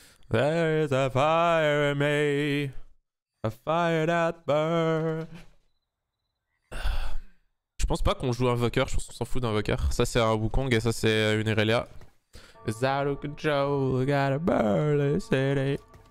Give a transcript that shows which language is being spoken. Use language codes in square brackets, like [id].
[en] There's a fire in me, a fire that burns. [fr] Je pense pas qu'on joue Invoker, je pense qu'on s'en fout d'Invoker. Ça c'est un Wukong et ça c'est une Irelia. [en] It's out of control, gotta burn the city.